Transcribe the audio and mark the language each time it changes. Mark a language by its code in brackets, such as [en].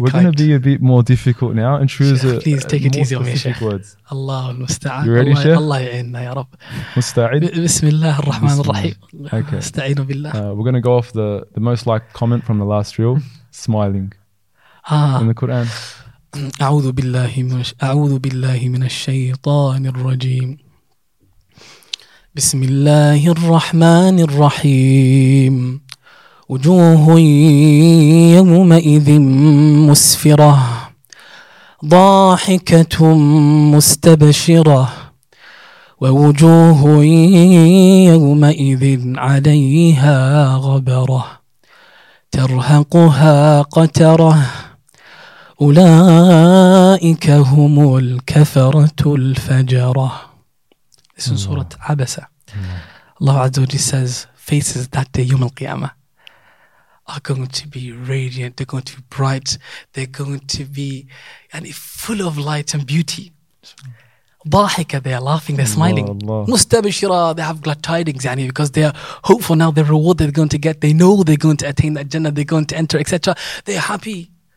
[en] we're going to be a bit more difficult now. And choose please take it easy on me, Sheikh. [ar] Allah [en] al-musta'in. You ready, Sheikh? [ar] Allah ya'inna, ya Rab. Musta'in? Bismillah ar-Rahman ar-Rahim. [en] Okay. [ar] Musta'inu billah. [en] We're going to go off the most liked comment from the last reel. Smiling. Ah. In the Quran. [ar] أعوذ بالله من الشيطان الرجيم. بسم الله الرحمن الرحيم. وجوه يومئذ مسفرة ضاحكة مستبشرة ووجوه يومئذ عليها غبرة ترهقها قترة أولئك هم الكفرة الفجرة. [en] This is سورة عبسة. Allah Azza wa Jalla says faces that day, [ar] يوم القيامة, [en] are going to be radiant, they're going to be bright, they're going to be full of light and beauty. ضاحكة, they are laughing, they're smiling. مستبشرة, they have glad tidings, because they are hopeful now, the reward they're going to get, they know they're going to attain that Jannah, they're going to enter, etc. They're happy.